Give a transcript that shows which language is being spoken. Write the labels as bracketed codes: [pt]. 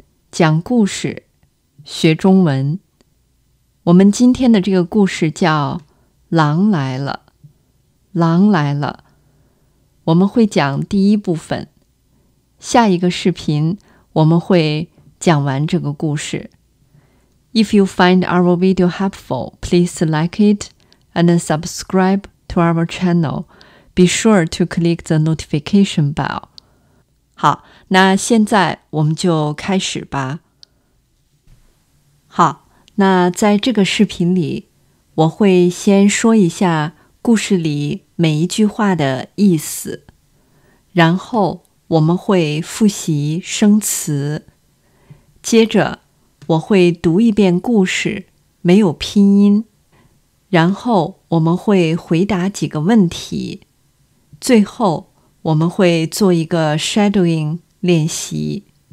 [zh] 讲故事，学中文。我们今天的这个故事叫《狼来了》，狼来了。我们会讲第一部分，下一个视频我们会讲完这个故事。 [en] If you find our video helpful, please like it and subscribe to our channel. Be sure to click the notification bell. [zh] 好，那现在我们就开始吧。好，那在这个视频里，我会先说一下故事里每一句话的意思，然后我们会复习生词，接着我会读一遍故事，没有拼音，然后我们会回答几个问题，最后我们会做一个 shadowing 练习。